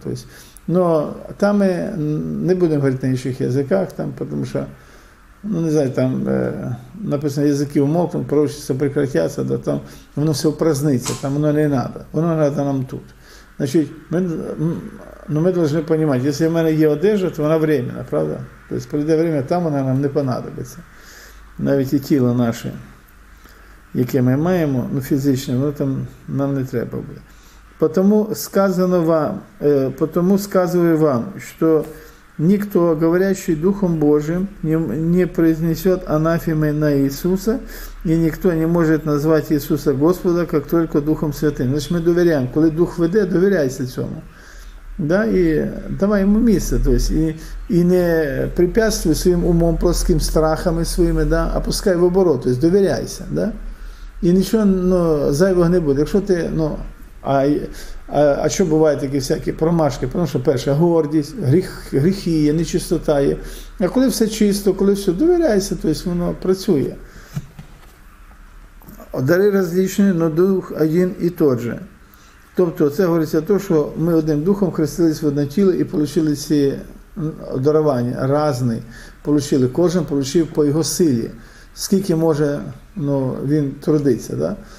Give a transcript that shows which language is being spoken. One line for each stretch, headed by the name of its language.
Ukrainian: Тобто, там ми не будемо говорити на інших язиках, там, тому що ну, не знаю, там написано «язики умовкнуть, пророчиться прекратяться», да, там воно все упраздниться, там воно не треба, воно треба нам тут. Значить, ми повинні розуміти, якщо в мене є одежа, то вона временна, правда? Тобто пройде час, там вона нам не понадобиться. Навіть і тіло наше, яке ми маємо, ну, фізичне, воно там нам не треба буде.
Russian: Потому сказано вам, потому сказую вам, що «Никто, говорящий Духом Божиим, не произнесет анафемы на Иисуса, и никто не может назвать Иисуса Господа, как только Духом Святым». Значит, мы доверяем. Когда Дух веде, доверяйся этому. Да? И давай ему место. То есть, и не препятствуй своим умом, плоским страхами своими, да? А пускай в оборот. То есть, доверяйся. Да? И ничего, ну, зайвого не будет.
Ukrainian: Якщо ти, ну, А що бувають такі всякі промашки? Тому що перше – гордість, гріхи є, нечистота є. А коли все чисто, коли все довіряється, то есть воно працює. Дари різні, але Дух один і той же. Тобто це говориться те, що ми одним духом хрестились в одне тіло і отримали ці дарування, різні, отримали, кожен отримав по його силі, скільки може ну, він трудитися. Да?